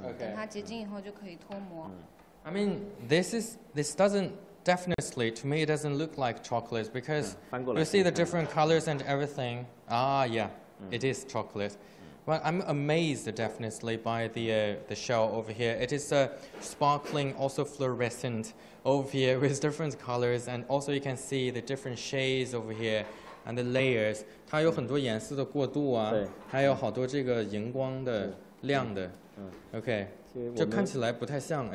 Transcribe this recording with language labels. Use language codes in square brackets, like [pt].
[zh] 我们在这个模具当中上色，然后再挂上巧克力，等它结晶以后就可以脱模。I [en] mean, this doesn't definitely to me. It doesn't look like chocolate because you see the different colors and everything. Ah, yeah, it is chocolate. But I'm amazed definitely by the shell over here. It is sparkling, also fluorescent. Over here with different colors, and also you can see the different shades over here and the layers. [zh] 它有很多颜色的过渡啊，还有好多这个荧光的亮的。OK，就看起来不太像。